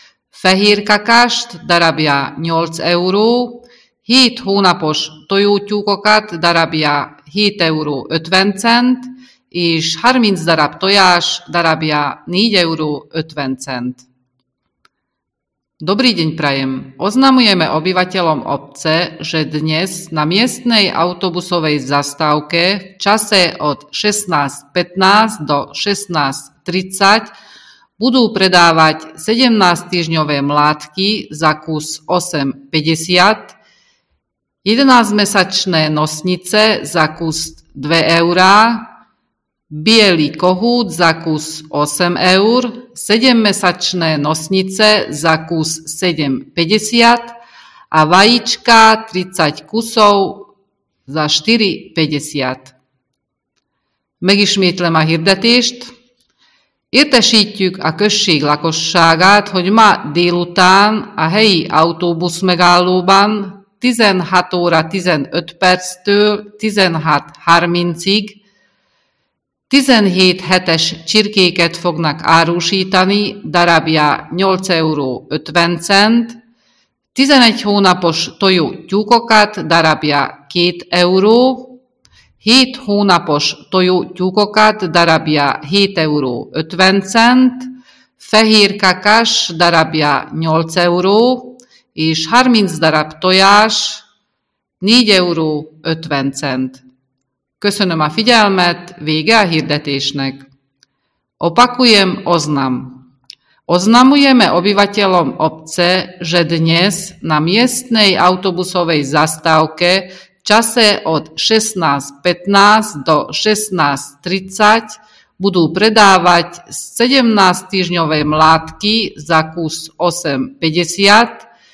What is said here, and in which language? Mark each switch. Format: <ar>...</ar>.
<hu>fehér kakást, darabja 8 €, 7 hónapos tojótyúkokat, darabja 7,50 €, és 30 darab tojás, darabja 4,50 €.</hu> <sk>Dobrý deň, prajem. Oznamujeme obyvateľom obce, že dnes na miestnej autobusovej zastávke v čase od 16:15 do 16:30 budú predávať 17-týždňové mládky za kus 8,50, 11-mesačné nosnice za kus 2 eurá, bielý kohút za kus 8 eur, 7-mesačné nosnice za kus 7,50 a vajíčka 30 kusov za 4,50.</sk> <hu>Megismétlem a hirdetést. Értesítjük a község lakosságát, hogy ma délután a helyi autóbusz megállóban 16 óra 15 perctől 16:30-ig 17 hetes csirkéket fognak árusítani, darabja 8,50 €, 11 hónapos tojó tyúkokat, darabja 2 €, 7 hónapos tojó tyúkokat, darabja 7,50 €, fehér kakas, darabja 8 €, és 30 darab tojás, 4,50 €. Köszönöm a figyelmet, vége a hirdetésnek.</hu> <sk>Opakujem oznam. Oznamujeme obyvateľom obce, že dnes na miestnej autobusovej zastávke v čase od 16:15 do 16:30 budú predávať 17-týždňové mládky za kus 8,50,</sk>